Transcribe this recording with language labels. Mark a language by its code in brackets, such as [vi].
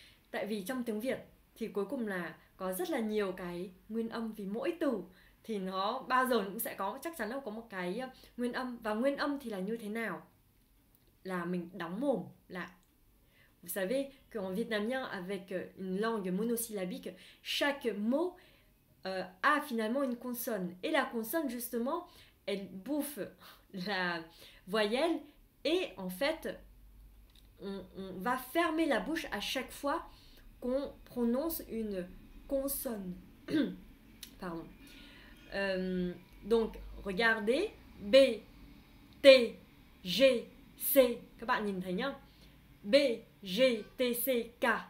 [vi] Tại vì trong tiếng Việt thì cuối cùng là có rất là nhiều cái nguyên âm, vì mỗi từ thì nó bao giờ cũng sẽ có, chắc chắn là có một cái nguyên âm. Và nguyên âm thì là như thế nào? Là mình đóng mồm lại. [fr] Vous savez qu'en vietnamien, avec une langue monosyllabique, chaque mot a finalement une consonne. Et la consonne, justement, elle bouffe la voyelle et en fait, on va fermer la bouche à chaque fois qu'on prononce une consonne. Pardon. Donc, regardez, [vi] B, T, G, C, các bạn nhìn thấy nhá, B, G, T, C, K.